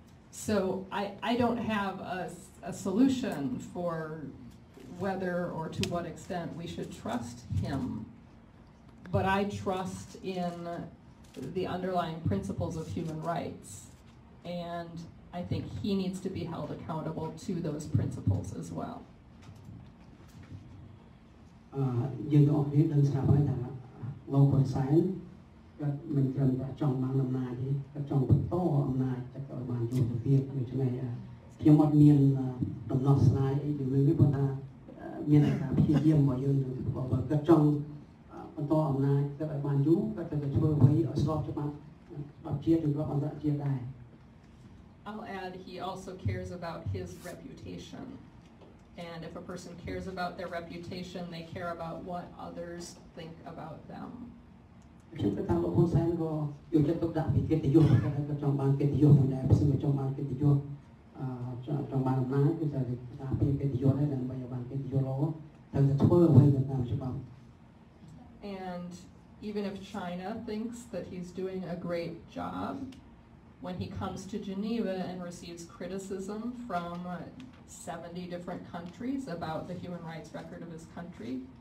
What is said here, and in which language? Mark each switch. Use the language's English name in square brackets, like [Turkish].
[English] So I don't have a solution for whether or to what extent we should trust him, but I trust in the underlying principles of human rights, and I think he needs to be held accountable to those principles as well. [Khmer] យើងទាំងអស់គ្នាដឹងស្រាប់ហើយថាលោកហ៊ុនសែនគាត់មិនត្រឹមតែចង់បានអំណាចទេគាត់ចង់បន្តអំណាចទៅឲ្យបានយូរទៅទៀតដូច្នេះខ្ញុំអត់មានដំណោះស្រាយអីទៅលើនេះប៉ុន្តែមានការព្យាយាមរបស់យើងនៅបើគាត់ចង់បន្តអំណាចទៅឲ្យបានយូរគាត់ត្រូវតែធ្វើអ្វីឲ្យស្របច្បាប់បាជាតិឬក៏អន្តរជាតិដែរ [English] I'll add he also cares about his reputationAnd if a person cares about their reputation, they care about what others think about them. And even if China thinks that he's doing a great job, when he comes to Geneva and receives criticism from 70 different countries about the human rights record of his country,